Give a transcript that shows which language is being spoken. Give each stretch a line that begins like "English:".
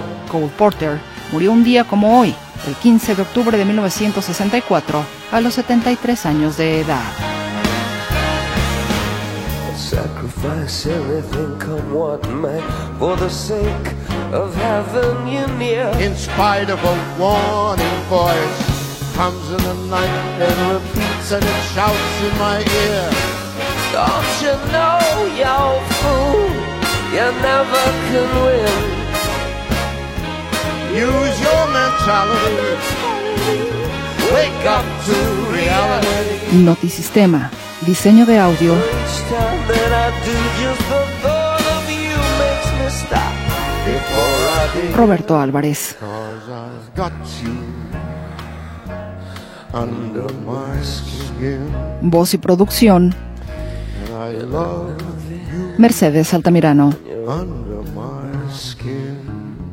Spanish: Cole Porter murió un día como hoy, el 15 de octubre de 1964, a los 73 años de edad.
English: Sacrifice everything come what may, for the sake of having you near. In spite of a warning voice, comes in the night and repeats and it shouts in my ear. Don't you know, you're a fool, you never can win. Use your mentality, wake up to reality.
Spanish: Notisistema, diseño de audio.
English: Each time that I do, just the thought of you makes me stop before I do. Roberto Álvarez. Cause I've got you under my skin.
Spanish: Voz y producción, Mercedes Altamirano.
English: Under my skin.